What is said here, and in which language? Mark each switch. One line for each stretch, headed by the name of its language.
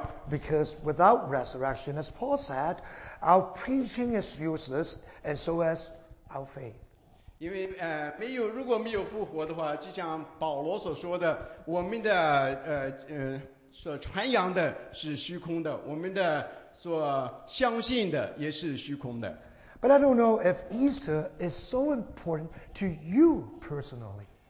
English: Because without resurrection, as Paul said, our preaching is useless, and so is our faith.
Chinese: 因为如果没有复活的话，就像保罗所说的，我们的所传扬的是虚空的，我们的所相信的也是虚空的。
English: But I don't know if Easter is so important to you personally.